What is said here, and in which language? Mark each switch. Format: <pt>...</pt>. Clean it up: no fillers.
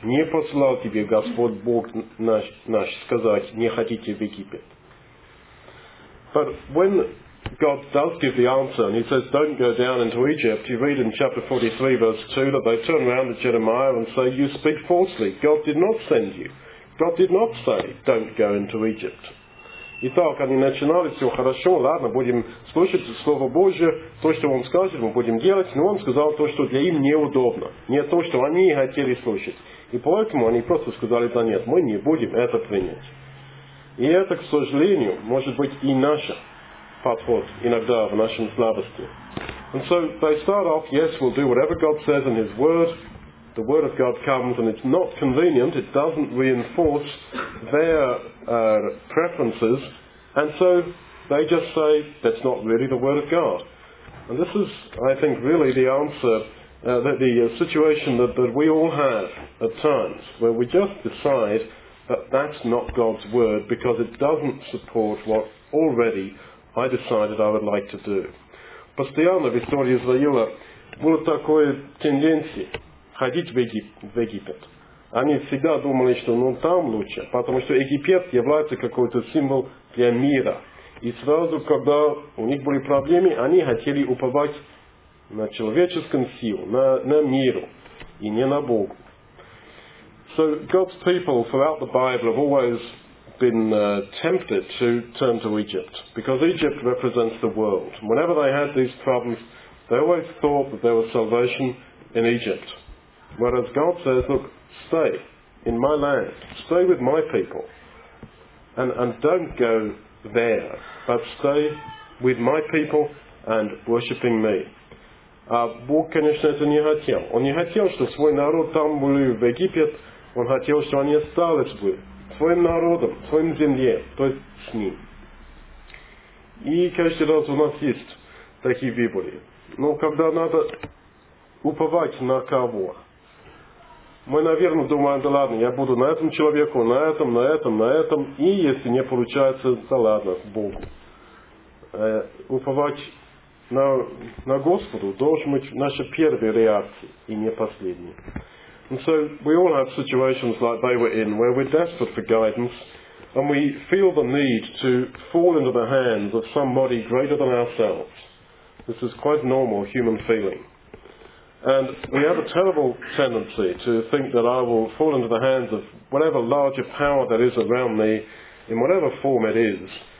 <ru>Не послал тебе Господь Бог наш сказать: не хотите в Египет.</ru> <en>But when God does give the answer and He says, don't go down into Egypt, you read in chapter 43 verse 2 that they turn around to Jeremiah and say, you speak falsely. God did not send you. God did not say, don't go into Egypt.</en> <ru>Итак, они начинали: все хорошо, ладно, будем слушать Слово Божие, то, что Он скажет, мы будем делать, но Он сказал то, что для им неудобно, не то, что они хотели слушать. И поэтому они просто сказали: да нет, мы не будем это принять. И это, к сожалению, может быть и наш подход иногда в нашем слабости.</ru> <en>And so they start off, yes, we'll do whatever God says in His Word. The Word of God comes and it's not convenient, it doesn't reinforce their preferences, and so they just say, that's not really the Word of God. And this is, I think, really the answer, situation that we all have at times, where we just decide that that's not God's Word because it doesn't support what already I decided I would like to do.</en> <ru>Постоянно в истории Израиля было такое тенденция ходить в Египет. Они всегда думали, что ну там лучше, потому что Египет является какой-то символ для мира. И сразу, когда у них были проблемы, они хотели уповать на человеческую силу, на миру, и не на Бога.</ru> <en>So God's people throughout the Bible have always been tempted to turn to Egypt, because Egypt represents the world. Whenever they had these problems, they always thought that there was salvation in Egypt. Whereas God says, look, stay in my land, stay with my people, and don't go there, but stay with my people and worshipping me.</en> <ru>Бог, конечно, это не хотел. Он не хотел, чтобы свой народ там был в Египет, он хотел, чтобы они остались бы своим народом, своим земле, то есть с ним. И каждый раз у нас есть такие выборы. Но когда надо уповать на кого? Мы, наверное, думаем, да ладно, я буду на этом человеку, на этом, на этом, на этом. И если не получается, да ладно, Богу. Уповать на Господу должен быть наша первая реакция, и не последняя.</ru> <en>And so we all have situations like they were in, where we're desperate for guidance, and we feel the need to fall into the hands of somebody greater than ourselves. This is quite normal human feeling. And we have a terrible tendency to think that I will fall into the hands of whatever larger power that is around me, in whatever form it is.</en>